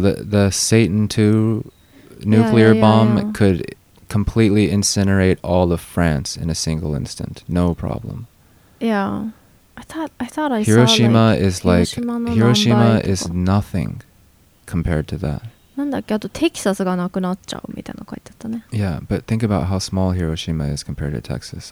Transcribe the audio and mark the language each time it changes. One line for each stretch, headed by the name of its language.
English: No, the Satan 2 nuclear bomb could completely incinerate all of France in a single instant. No problem. Yeah. I thought I Hiroshima saw like... Is like Hiroshima is nothing compared to that.
Japanese: なんだっけあとテキサスがなくなっちゃうみたいな書いてあったね
English: Yeah, but think about how small Hiroshima is compared to Texas.